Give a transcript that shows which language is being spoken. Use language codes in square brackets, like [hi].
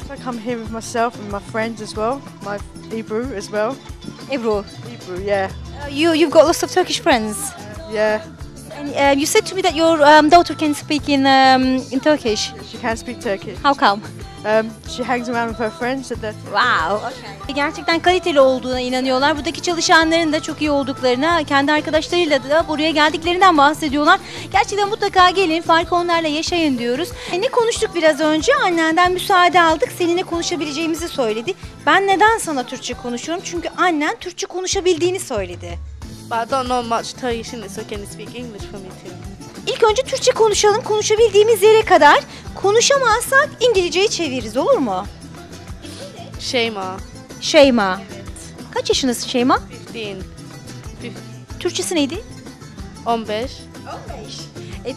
[en] I come here with myself and my friends as well, my Ebru as well. Ebru? Ebru, yeah. You've got lots of Turkish friends? Yeah. And you said to me that your daughter can speak in Turkish. She can speak Turkish. How come? She hangs around with her friends at the... Wow, okay. [tr] Gerçekten kaliteli olduğuna inanıyorlar. Buradaki çalışanların da çok iyi olduklarına, kendi arkadaşlarıyla da buraya geldiklerinden bahsediyorlar. Gerçekten mutlaka gelin, farkı onlarla yaşayın diyoruz. Ne konuştuk biraz önce? Annenden müsaade aldık, seninle konuşabileceğimizi söyledi. Ben neden sana Türkçe konuşuyorum? Çünkü annen Türkçe konuşabildiğini söyledi. [en] But I don't know much Turkish, so can you speak English for me too? [tr] İlk önce Türkçe konuşalım, konuşabildiğimiz yere kadar. Konuşamazsak İngilizceyi çeviririz, olur mu? Şeyma. Şeyma. Evet. Kaç yaşındasın Şeyma? 15. Türkçesi neydi? 15. 15.